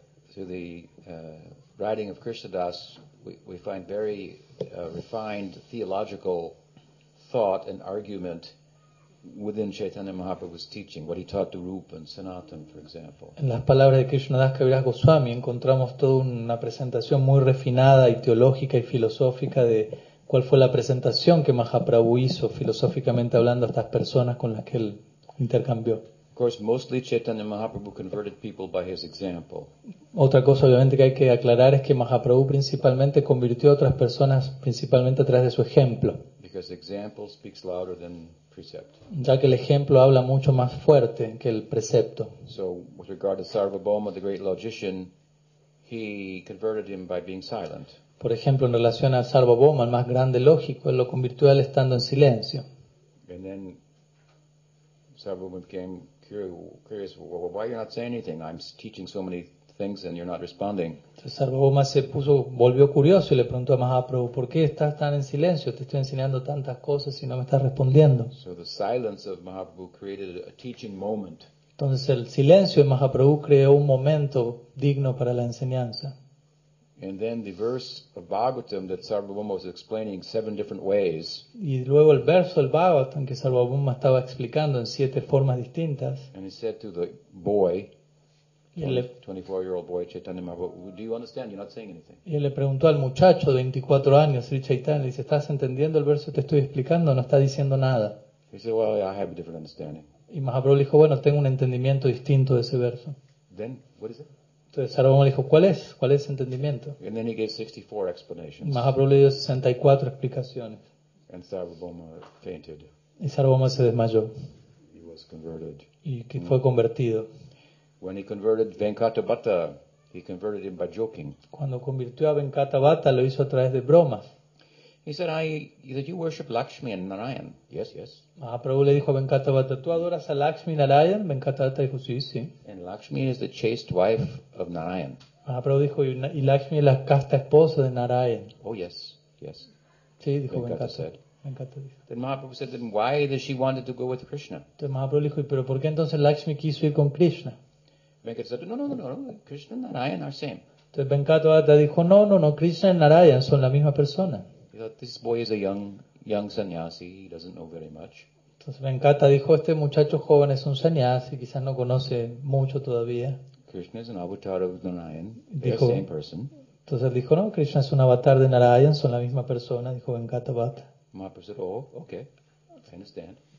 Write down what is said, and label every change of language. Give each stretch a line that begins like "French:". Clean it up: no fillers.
English: Through the writing of Krishnadas, we find very refined theological thought and argument within Chaitanya Mahaprabhu's teaching, what he taught to Rupa and Sanatan, for example.
Spanish: En las palabras de Krishnadas Kaviraj Goswami encontramos toda una presentación muy refinada y teológica y filosófica de cuál fue la presentación que Mahaprabhu hizo filosóficamente hablando a estas personas con las que él intercambió.
English: Of course, mostly Chaitanya Mahaprabhu converted people by his example.
Spanish: Otra cosa obviamente que hay que aclarar es que Mahaprabhu principalmente convirtió a otras personas principalmente a través de su ejemplo.
English: Because example speaks louder than precept.
Spanish: Ya que el ejemplo habla mucho más fuerte que el precepto.
English: So with regard to Sarvabhauma, the great logician, he converted him by being silent.
Spanish: Por ejemplo, en relación a Sarvabhauma, el más grande lógico, él lo convirtió al estando en silencio.
English: And then Sarvabhauma became curious, why are you not saying anything? I'm teaching so many things and you're not responding.
Spanish: Sarvabhauma se puso, volvió curioso y le preguntó a Mahaprabhu, ¿por qué estás tan en silencio? Te estoy enseñando tantas cosas y no me estás respondiendo.
English: So the silence of Mahaprabhu created a teaching moment.
Spanish: Entonces el silencio de Mahaprabhu creó un momento digno para la enseñanza.
English: And then the verse of Bhagavatam that Sarvabhauma was explaining seven different ways.
Spanish: Y luego el verso del Bhagavatam que Sarvabhauma estaba explicando en siete formas distintas.
English: And he said to the boy, 24-year-old boy, Chaitanya Mahaprabhu, do you understand? You're not saying anything.
Spanish: Y le preguntó al muchacho de 24 años, Sri Chaitanya, le dice, ¿estás entendiendo el verso que te estoy explicando? No está diciendo nada.
English: He said, well, yeah, I have a different understanding.
Spanish: Y Mahaprabhu le dijo, bueno, tengo un entendimiento distinto de ese verso.
English: Then, what is it?
Spanish: Entonces Sarvabhauma le dijo, ¿cuál es ese entendimiento?
English: And then he gave 64 explanations.
Spanish: Mahaprabhu le dio 64 explicaciones.
English: And Sarvabhauma fainted.
Spanish: Y Sarvabhauma se desmayó.
English: He was converted.
Spanish: Y que fue convertido.
English: When he converted Venkatabhata, he converted him by joking.
Spanish: Cuando convirtió a Venkatabhata, lo hizo a través de bromas.
English: He said, you worship Lakshmi and Narayan. Yes, yes.
Spanish: Mahaprabhu le dijo a Venkatabhata, ¿tú adoras a Lakshmi Narayan? Venkatabhata dijo, sí, sí.
English: And Lakshmi is the chaste wife of Narayan.
Spanish: Mahaprabhu dijo, y Lakshmi es la casta esposa de Narayan.
English: Oh, yes, yes.
Spanish: Sí, dijo Venkatabhata.
English: Then Mahaprabhu said, then why does she want to go with Krishna?
Spanish: Entonces Mahaprabhu dijo, ¿pero por qué entonces Lakshmi quiso ir con Krishna?
English: Venkatabhata said, no, Krishna and Narayan are same.
Spanish: Entonces Venkatabhata dijo, no, Krishna y Narayan son la misma persona.
English: He thought, this boy is a young sannyasi, he doesn't know very much.
Spanish: Entonces Venkata dijo, este muchacho joven es un sannyasi, quizás no conoce mucho todavía.
English: Krishna is an avatar of Narayan,
Spanish: dijo,
English: the same person.
Spanish: Entonces dijo, no, Krishna es un avatar de Narayan, son la misma persona, dijo Venkatabhata.
English: Mahaprabhu said, oh, okay, I understand.